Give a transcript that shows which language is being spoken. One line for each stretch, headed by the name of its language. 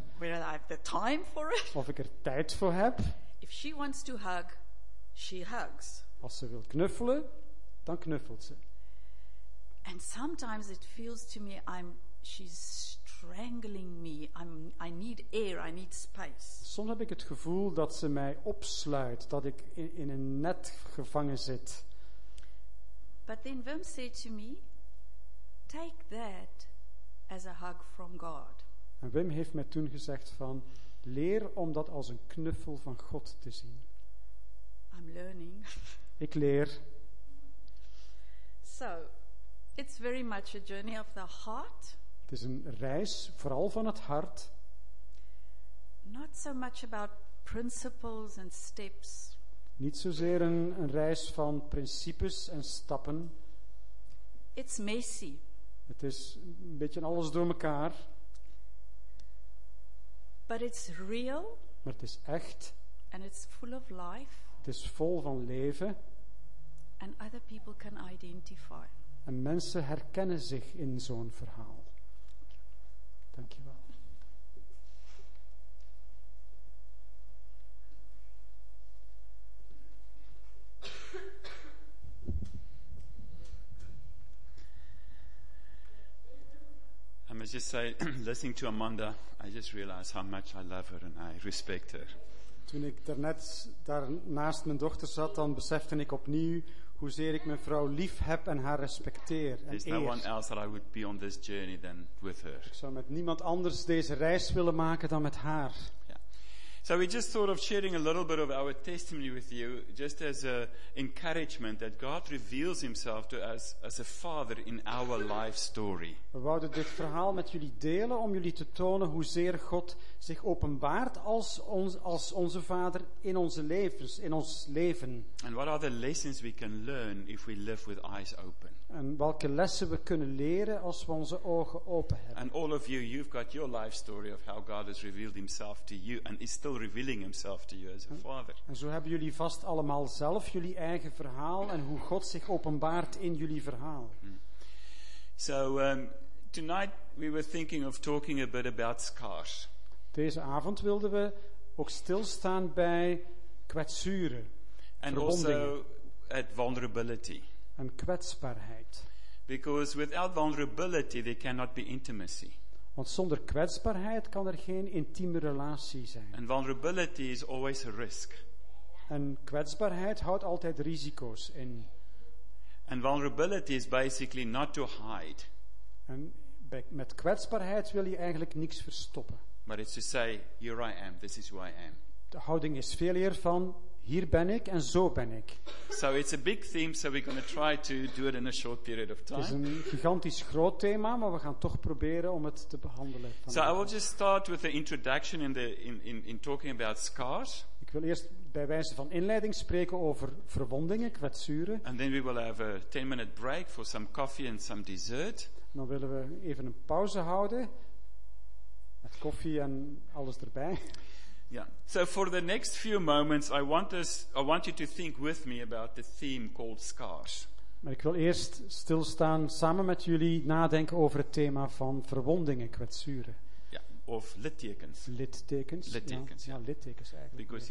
English: Whether I have the time for it.
Dutch: Of ik er tijd voor heb.
English: If she wants to hug, she hugs.
Dutch: Als ze wil knuffelen, dan knuffelt ze.
English: And sometimes it feels to me she's strangling me. I need air, I need space.
Dutch: Soms heb ik het gevoel dat ze mij opsluit, dat ik in een net gevangen zit.
English: But then Wim said to me, take that as a hug from God.
Dutch: En Wim heeft mij toen gezegd van, leer om dat als een knuffel van God te zien.
English: I'm learning.
Dutch: Ik leer.
English: So, it's very much a journey of the heart.
Dutch: Het is een reis, vooral van het hart.
English: Not so much about principles and steps.
Dutch: Niet zozeer een reis van principes en stappen.
English: It's messy.
Dutch: Het is een beetje alles door elkaar.
English: But it's real.
Dutch: Maar het is echt.
English: And it's full of life.
Dutch: Het is vol van leven.
English: And other people can identify.
Dutch: En mensen herkennen zich in zo'n verhaal. Dank je wel.
English: I must just say, listening to Amanda, I just realized how much I love her and I respect her.
Dutch: Toen ik daarnet daar naast mijn dochter zat, dan besefte ik opnieuw hoezeer ik mijn vrouw lief heb en haar respecteer en eer.
English: There's no one else that I would be on this journey than with her.
Dutch: Ik zou met niemand anders deze reis willen maken dan met haar.
English: Yeah. So we just thought of sharing a little bit of our testimony with you, just as an encouragement that God reveals himself to us as a father in our life story.
Dutch: We wouden dit verhaal met jullie delen om jullie te tonen hoezeer God zich openbaart als onze vader in onze levens, in ons leven.
English: And what are the lessons we can learn if we live with eyes open?
Dutch: En welke lessen we kunnen leren als we onze ogen open hebben.
English: And all of you, you've got your life story of how God has revealed himself to you and is still revealing himself to you as a father.
Dutch: En zo hebben jullie vast allemaal zelf jullie eigen verhaal en hoe God zich openbaart in jullie verhaal.
English: So tonight we were thinking of talking a bit about scars.
Dutch: Deze avond wilden we ook stilstaan bij kwetsuren.
English: And also at vulnerability.
Dutch: En kwetsbaarheid.
English: Because without vulnerability there cannot be intimacy.
Dutch: Want zonder kwetsbaarheid kan er geen intieme relatie zijn.
English: And vulnerability is always a risk.
Dutch: En kwetsbaarheid houdt altijd risico's in.
English: And vulnerability is basically not to hide.
Dutch: En met kwetsbaarheid wil je eigenlijk niks verstoppen.
English: But it's to say, here I am, this is who I am.
Dutch: De houding is veel eer van, hier ben ik en zo ben ik.
English: So it's a big theme, so we're going to try to do it in a short period of time.
Dutch: Het is een gigantisch groot thema, maar we gaan toch proberen om het te behandelen.
English: So I will just start with the introduction in talking about scars.
Dutch: Ik wil eerst bij wijze van inleiding spreken over verwondingen, kwetsuren.
English: And then we will have a 10-minute break for some coffee and some dessert.
Dutch: En dan willen we even een pauze houden. Met koffie en alles erbij.
English: Yeah. So for the next few moments I want you to think with me about the theme called scars.
Dutch: Maar ik wil eerst stilstaan samen met jullie nadenken over het thema van verwondingen, kwetsuren. Ja, yeah. Of littekens. Littekens. Littekens. Ja, littekens eigenlijk.